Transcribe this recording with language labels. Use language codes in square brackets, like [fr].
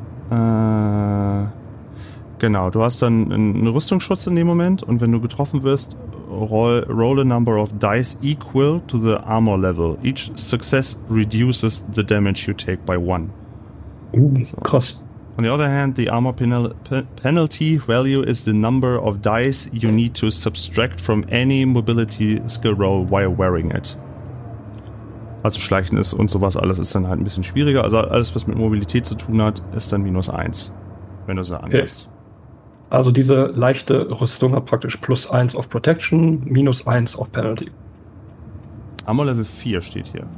[de] Genau, du hast dann einen Rüstungsschutz in dem Moment und wenn du getroffen wirst, [en] roll a number of dice equal to the armor level. Each success reduces the damage you take by 1. [de] Krass. [en] On the other hand, the armor penalty value is the number of dice you need to subtract from any mobility skill roll while wearing it. [de] Also Schleichen ist und sowas alles ist dann halt ein bisschen schwieriger. Also alles, was mit Mobilität zu tun hat, ist dann minus 1, wenn du sie anlässt. Also diese leichte Rüstung hat praktisch plus 1 auf Protection, minus 1 auf Penalty. Armor Level 4 steht hier.